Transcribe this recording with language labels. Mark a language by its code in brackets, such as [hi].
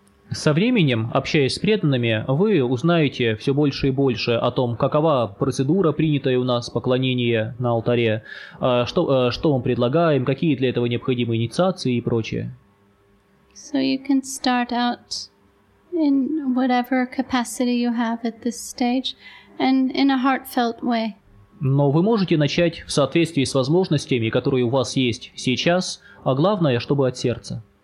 [ru] Со временем, общаясь с преданными, вы узнаете все больше и больше о том, какова процедура, принятая у нас поклонение на алтаре, что мы предлагаем, какие для этого необходимы инициации и прочее. [en] So you can start out in whatever capacity you have at this stage and in a heartfelt way. [ru] Но вы можете начать в соответствии с возможностями, которые у вас есть сейчас, а главное, чтобы от сердца.